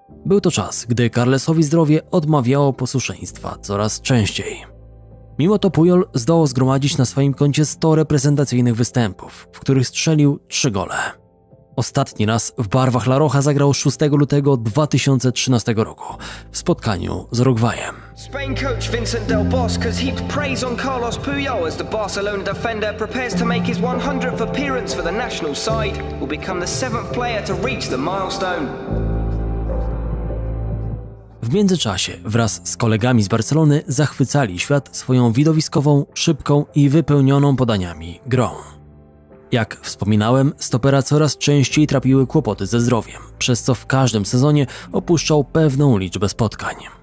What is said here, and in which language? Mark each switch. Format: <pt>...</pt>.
<pl>Był to czas, gdy Carlesowi zdrowie odmawiało posłuszeństwa coraz częściej. Mimo to Puyol zdołał zgromadzić na swoim koncie 100 reprezentacyjnych występów, w których strzelił 3 gole. Ostatni raz w barwach La Roja zagrał 6 lutego 2013 roku w spotkaniu z Urugwajem.</pl> <en>Spain coach Vincent Del Bosque has heaped praise on Carlos Puyol as the Barcelona defender prepares to make his 100th appearance for the national side, will become the 7th player to reach the milestone.</en> <pl>W międzyczasie wraz z kolegami z Barcelony zachwycali świat swoją widowiskową, szybką i wypełnioną podaniami grą. Jak wspominałem, stopera coraz częściej trapiły kłopoty ze zdrowiem, przez co w każdym sezonie opuszczał pewną liczbę spotkań.</pl>